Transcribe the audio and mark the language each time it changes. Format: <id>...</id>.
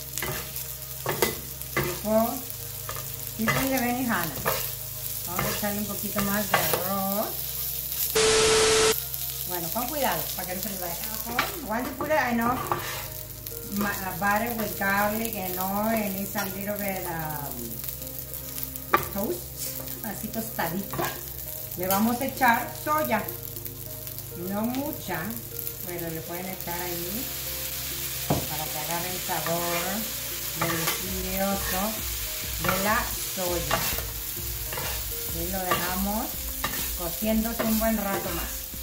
<es>Okay. Tipo de benihana. Vamos a echarle un poquito más de arroz. Bueno, con cuidado, para que no se les vaya abajo.</es> <en>Once you put it enough butter with garlic and oil, and it's a little bit toast,</en> <es>así tostadito. Le vamos a echar soya. No mucha, pero le pueden echar ahí para que agarre el sabor delicioso de la soya. Y lo dejamos cociendo un buen rato más.</es>